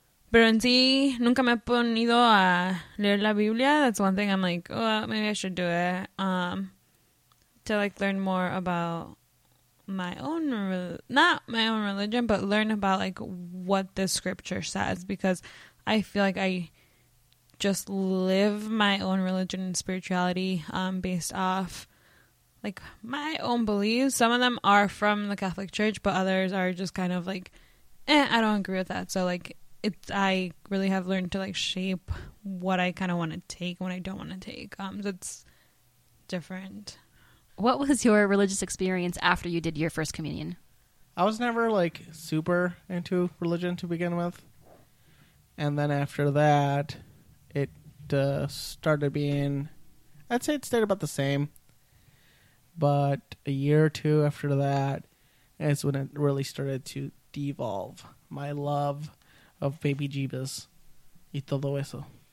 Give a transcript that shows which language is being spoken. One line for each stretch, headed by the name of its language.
Spanish: Pero en sí, nunca me he ponido a leer la Biblia.
English: That's one thing I'm like, oh, well, maybe I should do it. To, like, learn more about not my own religion, but learn about, like, what the scripture says. Because I feel like I just live my own religion and spirituality based off, like, my own beliefs. Some of them are from the Catholic Church, but others are just kind of like, I don't agree with that. So, like, I really have learned to, like, shape what I kind of want to take and what I don't want to take. So it's different. What was your religious experience after you did your first communion? I was never, like, super into religion to begin with. And then after that, it started being, I'd say it stayed about the same. But a year or two after that is when it really started to devolve. My love of baby Jeebus
Spanish: y todo eso.